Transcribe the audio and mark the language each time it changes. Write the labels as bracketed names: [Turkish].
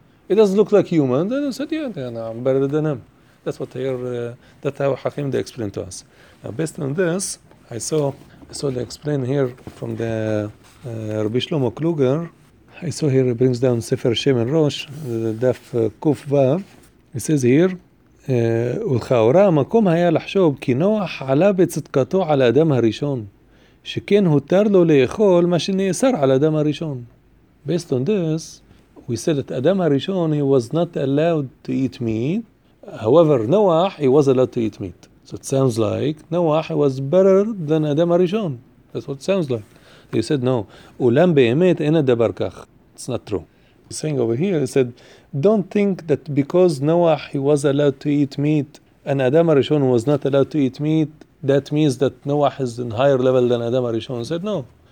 [English] It doesn't look like human. Then I said, I'm better than him. That's how Hakim they explained to us. Now, based on this, I saw they explain here from the Rabbi Shlomo Kluger. I saw here he brings down Sefer Shem and Rosh, the Daf Kuf Vav. He says here, [Hebrew] ולכאורה המקום היה לחשוב כי נוח עלה בצדקתו על האדם הראשון, שכן הותר לו לאכול מה שנאסר על האדם הראשון. [English] Based on this, we said that Adam HaRishon, he was not allowed to eat meat. However, Noah, he was allowed to eat meat. So it sounds like Noah was better than Adam HaRishon. That's what it sounds like. He said, no. [Hebrew] Ulam be'emet ena dabar kach. [English] It's not true. He's saying over here, he said, don't think that because Noah, he was allowed to eat meat, and Adam HaRishon was not allowed to eat meat, that means that Noah is in higher level than Adam HaRishon. He said, no.